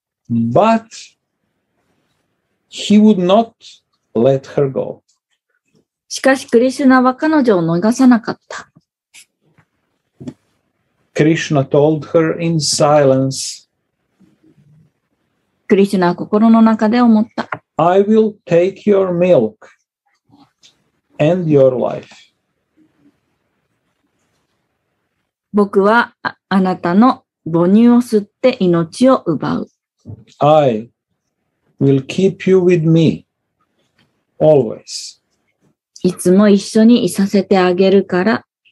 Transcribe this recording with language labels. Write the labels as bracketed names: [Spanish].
[English] But he would not let her go. [Japanese] しかしクリシュナは彼女を逃さなかった。 [English] Krishna told her in silence. [Japanese] クリシュナは心の中で思った。 [English] I will take your milk and your life. [Japanese] 僕は あなたの母乳を吸って命を奪う。 [English] I will keep you with me always. [Japanese] いつも一緒にいさせてあげるから。